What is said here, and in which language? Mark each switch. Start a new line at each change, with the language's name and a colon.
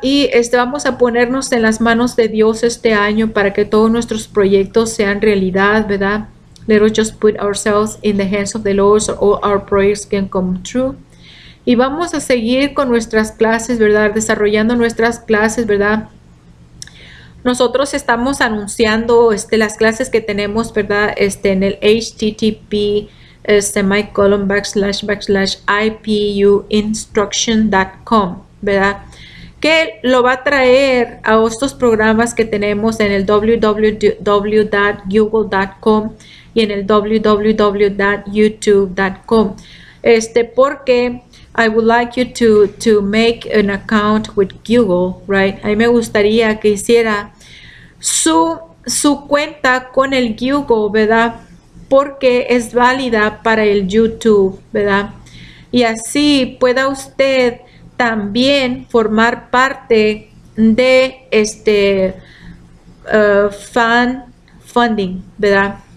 Spanish: Y vamos a ponernos en las manos de Dios este año para que todos nuestros proyectos sean realidad, ¿verdad?
English: Let us just put ourselves in the hands of the Lord so all our prayers can come true.
Spanish: Y vamos a seguir con nuestras clases, ¿verdad? Desarrollando nuestras clases, ¿verdad? Nosotros estamos anunciando las clases que tenemos, ¿verdad? En el http://ipuinstruction.com, ¿verdad? Que lo va a traer a estos programas que tenemos en el www.google.com y en el www.youtube.com.
English: Porque I would like you to make an account with Google, right?
Spanish: A mí me gustaría que hiciera su cuenta con el Google, ¿verdad? Porque es válida para el YouTube, ¿verdad? Y así pueda usted también formar parte de fan funding, ¿verdad?